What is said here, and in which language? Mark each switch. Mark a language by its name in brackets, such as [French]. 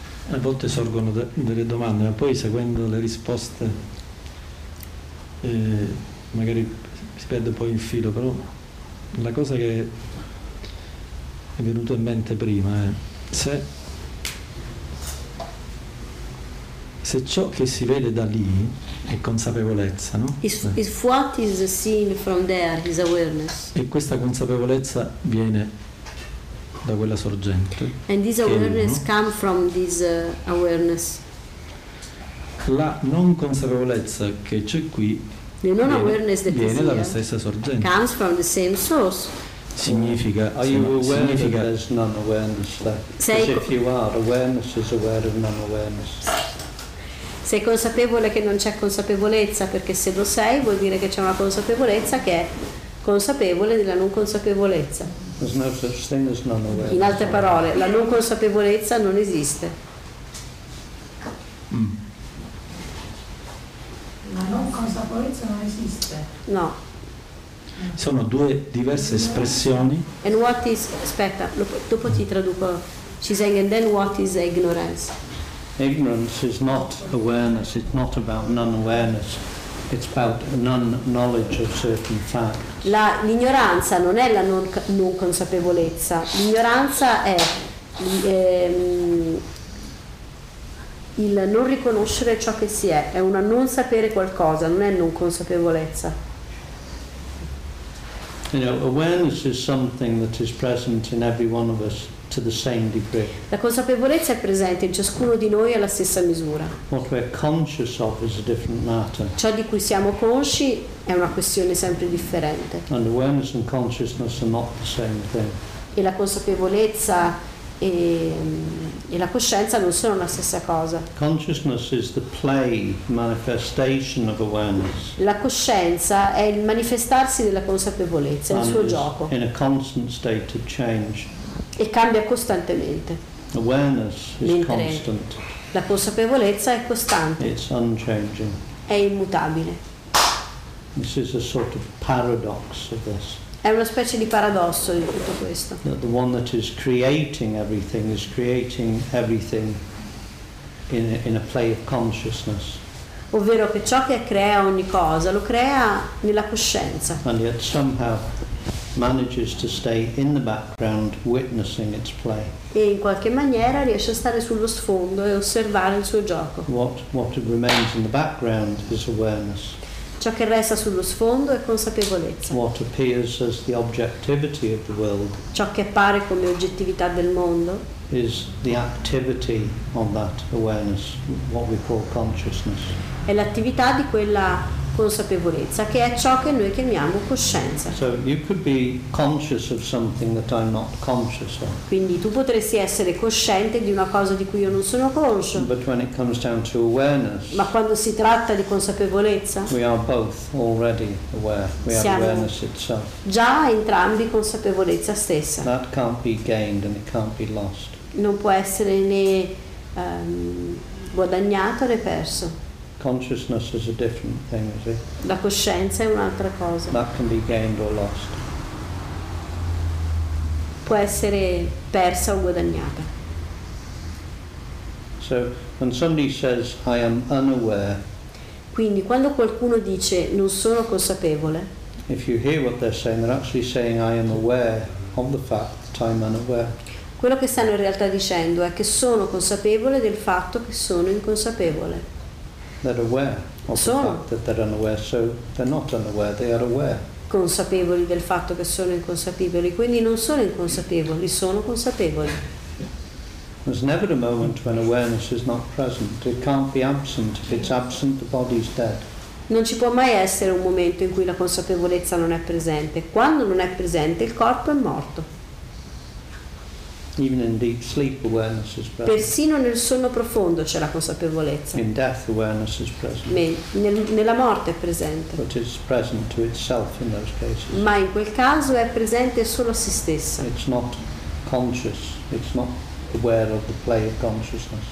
[Italian] A volte sorgono delle domande, ma poi seguendo le risposte magari si perde poi il filo, però la cosa che è venuta in mente prima è se ciò che si vede da lì è consapevolezza, no? [English] If what is seen from there is awareness. [Italian] E questa consapevolezza viene da quella sorgente. [English] And this awareness come from this awareness. [Italian] La non consapevolezza che c'è qui viene dalla stessa sorgente. [English] Comes from the same source. [Italian] Significa, [English] are you aware [Italian] significa [English] that there's non awareness there? Because if you are, awareness is aware of non awareness. [Italian] Sei consapevole che non c'è consapevolezza, perché se lo sei vuol dire che c'è una consapevolezza che è consapevole della non consapevolezza. [English] There's no such thing as non awareness. [Italian] In altre parole, la non consapevolezza non esiste. La non consapevolezza non esiste. No. Sono due diverse espressioni. [English] And what is [Italian] aspetta, dopo ti traduco. [English] She's saying and then what is ignorance? Ignorance is not awareness, it's not about non-awareness, it's about non-knowledge of certain facts. [Italian] L'ignoranza non è la non consapevolezza, l'ignoranza è il non riconoscere ciò che si è una non sapere qualcosa, non è non consapevolezza. [English] You know, awareness is something that is present in every one of us to the same degree. [Italian] La consapevolezza è presente in ciascuno di noi alla stessa misura. [English] What we're conscious of is a different matter. [Italian] Ciò di cui siamo consci è una questione sempre differente. [English] And awareness and consciousness are not the same thing. [Italian] E la consapevolezza e la coscienza non sono la stessa cosa. [English] Consciousness is the play manifestation of awareness. [Italian] La coscienza è il manifestarsi della consapevolezza, [English] and [Italian] il suo gioco. [English] In a constant state of change. [Italian] E cambia costantemente. [English] Awareness is [Italian] mentre [English] constant. [Italian] La consapevolezza è costante. [English] It's unchanging. [Italian] È immutabile. [English] This is a sort of paradox of this. [Italian] È una specie di paradosso di tutto questo. [English] That the one that is creating everything is creating everything in a play of consciousness. [Italian] Ovvero che ciò che crea ogni cosa lo crea nella coscienza. [English] And yet somehow manages to stay in the background witnessing its play. [Italian] E in qualche maniera riesce a stare sullo sfondo e osservare il suo gioco. [English] What remains in the background is awareness. [Italian] Ciò che resta sullo sfondo è consapevolezza. [English] What appears as the objectivity of the world. [Italian] Ciò che appare come oggettività del mondo [English] is the activity of that awareness, what we call consciousness. [Italian] È l'attività di quella consapevolezza, che è ciò che noi chiamiamo coscienza. [English] So you could be conscious of something that I'm not conscious of. [Italian] Quindi tu potresti essere cosciente di una cosa di cui io non sono conscio. [English] But when it comes down to awareness, [Italian] ma quando si tratta di consapevolezza, [English] we are both already aware. We have awareness itself. [Italian] Già entrambi consapevolezza stessa. [English] That can't be gained and it can't be lost. [Italian] Non può essere né guadagnato né perso. [English] Consciousness is a different thing, is it? [Italian] La coscienza è un'altra cosa. [English] That can be gained or lost. [Italian] Può essere persa o guadagnata. [English] So, when somebody says, I am unaware, [Italian] quindi quando qualcuno dice, non sono consapevole, [English] if you hear what they're saying, they're actually saying, I am aware of the fact that I'm unaware. [Italian] Quello che stanno in realtà dicendo è che sono consapevole del fatto che sono inconsapevole. [English] They're aware of the fact that they're unaware, so they're not unaware, they are aware. [Italian] Consapevoli del fatto che sono inconsapevoli, quindi non sono inconsapevoli, sono consapevoli. [English] There's never a moment when awareness is not present. It can't be absent. If it's absent, the body's dead. [Italian] Non ci può mai essere un momento in cui la consapevolezza non è presente. Quando non è presente, il corpo è morto. [English] Even in deep sleep, awareness is present. [Italian] Persino nel sonno profondo c'è la consapevolezza. [English] In death, awareness is present. [Italian] Nella morte è presente. [English] But it's present to itself in those cases. [Italian] Ma in quel caso è presente solo a se stessa. [English] It's not conscious. It's not aware of the play of consciousness.